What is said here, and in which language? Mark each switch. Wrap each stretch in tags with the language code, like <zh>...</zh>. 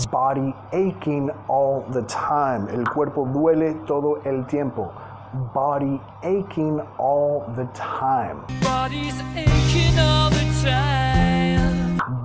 <en>Body aching all the time.</en> <es>El cuerpo duele todo el tiempo.</es> <en>Body aching all the time. Body's aching all the time.</en>